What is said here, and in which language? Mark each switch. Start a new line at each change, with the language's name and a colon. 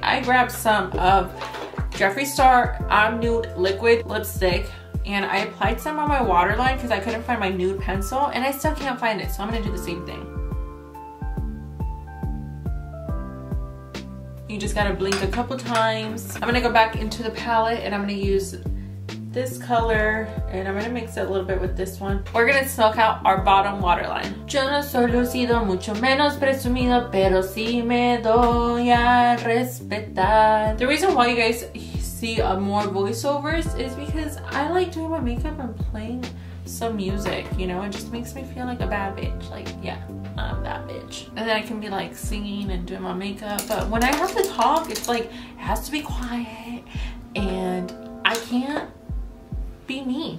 English: I grabbed some of Jeffree Star I'm Nude Liquid Lipstick and I applied some on my waterline because I couldn't find my nude pencil and I still can't find it, so I'm gonna do the same thing. You just gotta blink a couple times. I'm gonna go back into the palette and I'm gonna use this color and I'm gonna mix it a little bit with this one. We're gonna smoke out our bottom waterline.
Spanish: Yo no soy lucido, mucho menos presumido, pero si me doy a respetar.
English: The reason why you guys see more voiceovers is because I like doing my makeup and playing some music, you know? It just makes me feel like a bad bitch. Like, yeah, I'm that bitch. And then I can be like singing and doing my makeup. But when I have to talk, it's like, it has to be quiet and I can't be me.